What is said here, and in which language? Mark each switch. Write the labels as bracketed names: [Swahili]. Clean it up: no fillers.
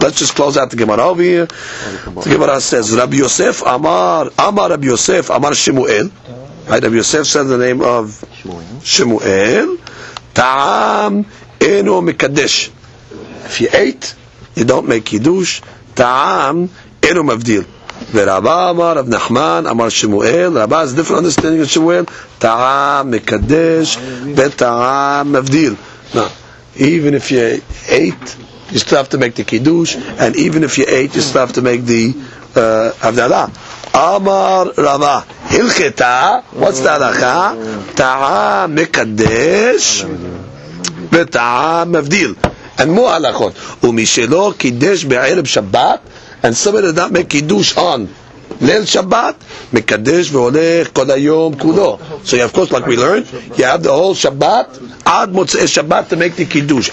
[English] Let's just close out the Gemara over here. The Gemara says, Rabbi Yosef Amar Rabbi Yosef Amar Shemuel. Right, Rabbi Yosef said the name of Shemuel. [Hebrew] Ta'am Enu Mekadesh. [English] If you ate, you don't make Kiddush. [Hebrew] Ta'am Enu Mavdil. ורבא אמר, רב נחמן, אמר שמואל, רבא, זה [English] different understanding of [Hebrew] שמואל, טעם מקדש, וטעם מבדיל. [English] Even if you ate, you still have to make the kiddush, and even if you ate, you still have to make the Abdallah. [Hebrew] אמר רבא, הלכתה, [English] what's the [Hebrew] הלכה? טעם מקדש, וטעם מבדיל. [English] And more הלכות. [Hebrew] ומשלו קידש בערב שבת, [English] And somebody does not make kiddush on Leil Shabbat, [Hebrew] mekadesh veolech kol hayom kulo. [English] So of course, like we learned, you have the whole Shabbat, ad motzei Shabbat to make the kiddush.